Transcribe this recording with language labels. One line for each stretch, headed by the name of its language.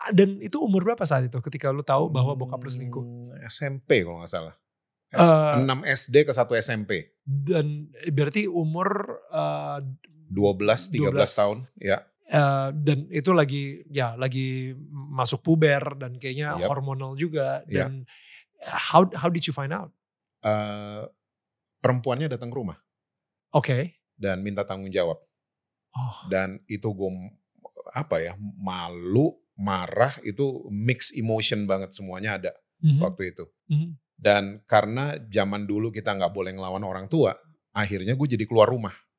Indonesian: Dan itu umur berapa saat itu ketika lu tahu bahwa bokap lu selingkuh? SMP kalau gak salah. 6 SD ke 1 SMP. Dan berarti umur 12-13 tahun. Ya. Dan itu lagi ya lagi masuk puber dan kayaknya yep, hormonal juga.
English: Dan yep, how did you find out?
Indonesian: Perempuannya datang ke rumah. Oke. Okay. Dan minta tanggung jawab. Oh. Dan itu gue malu, marah, itu mix emotion banget semuanya ada waktu itu. Mm-hmm. Dan karena zaman dulu kita gak boleh ngelawan orang tua, akhirnya gue jadi keluar rumah.